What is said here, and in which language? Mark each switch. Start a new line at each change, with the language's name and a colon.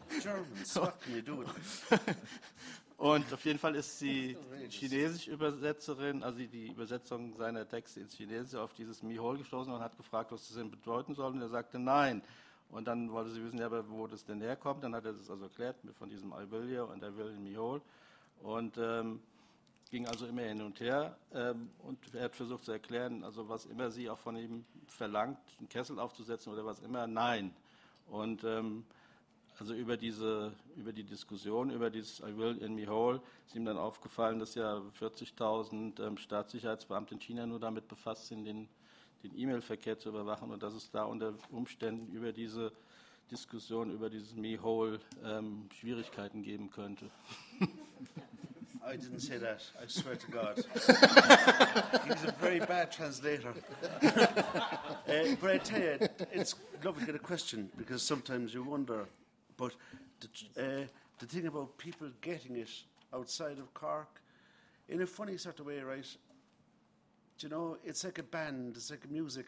English: Germans, what can you do with it?
German: Und auf jeden Fall ist die chinesische Übersetzerin, also die Übersetzung seiner Texte ins Chinesische, auf dieses Mi Hole gestoßen und hat gefragt, was das denn bedeuten soll. Und er sagte nein. Und dann wollte sie wissen, ja, aber wo das denn herkommt. Dann hat er das also erklärt, von diesem
English: I will you and I will in Mi Hole.
German: Und ging also immer hin und her und er hat versucht zu erklären, also was immer sie auch von ihm verlangt, einen Kessel aufzusetzen oder was immer, nein. Und also über die Diskussion, über dieses
English: I will in me hole,
German: ist ihm dann aufgefallen, dass ja 40.000 Staatssicherheitsbeamte in China nur damit befasst sind, den E-Mail-Verkehr zu überwachen und dass es da unter Umständen über diese Diskussion, über dieses me hole Schwierigkeiten geben könnte.
English: I didn't say that, I swear to God. He's a very bad translator. But I tell you, it's lovely to get a question, because sometimes you wonder. But the thing about people getting it outside of Cork, in a funny sort of way, right, do you know, it's like a band, it's like music.